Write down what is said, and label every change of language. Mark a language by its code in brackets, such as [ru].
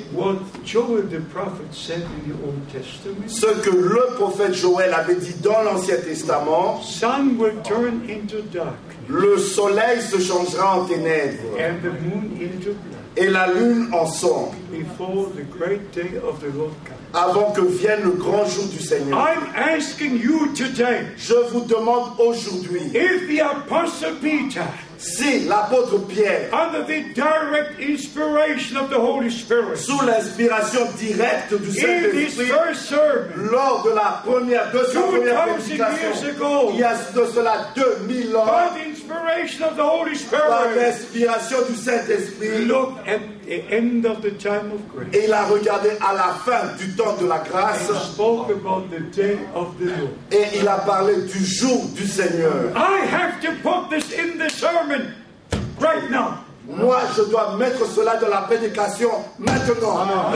[en] what Joel the prophet said in the Old Testament, [fr] ce que le prophète Joël avait dit dans l'Ancien Testament, [en] sun will turn into dark, [fr] le soleil se changera en ténèbres [en] and the moon into blood, [fr] et la lune en sang. [en] Before the great day of the Lord comes. [fr] Avant que vienne le grand jour du Seigneur. [en] I'm asking you today, [fr] je vous demande aujourd'hui, [en] if the apostle Peter, [fr] si l'apôtre Pierre, [en] under the direct inspiration of the Holy Spirit, [fr] sous l'inspiration directe du Saint-Esprit, lors de la première, de sa première prédication, il y a de cela 2000 ans, [en] by the inspiration of the Holy Spirit, [fr] par l'inspiration du Saint-Esprit, [en] look at the end of the time of grace. [fr] Et il a regardé à la fin du temps de la grâce. [en] And spoke about the day of the Lord. [fr] Et il a parlé du jour du Seigneur. [en] I have to put this in the sermon right now. [fr] Moi, je dois mettre cela dans la prédication maintenant.